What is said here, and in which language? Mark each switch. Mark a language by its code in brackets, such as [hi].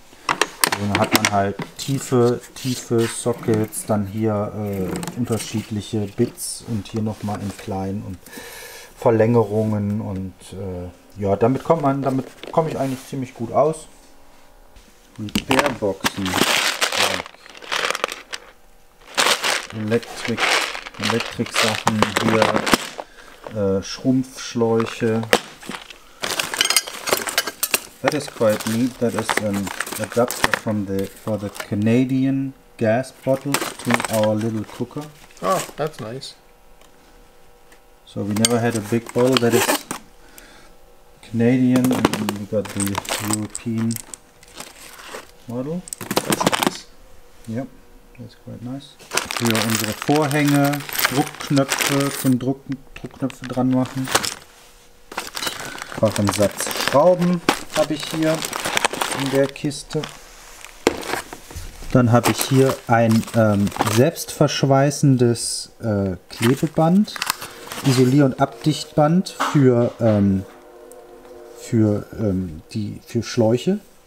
[de] Also dann hat man halt tiefe Sockets, dann hier unterschiedliche Bits und hier nochmal in klein und Verlängerungen und ja, damit komme ich eigentlich ziemlich gut aus. Repairboxen. Elektrik Sachen hier, Schrumpfschläuche. [en] That is quite neat. That is an adapter for the Canadian gas bottles to our little cooker. Oh, that's nice. So we never had a big bottle that is Canadian, and we got the European model. That's nice. Yep, that's quite nice. [de] Für unsere Vorhänge, Druckknöpfe zum Druckknöpfe dran machen. Auch ein Satz Schrauben habe ich hier in der Kiste. Dann habe ich hier ein selbstverschweißendes Klebeband, Isolier- und Abdichtband für Schläuche.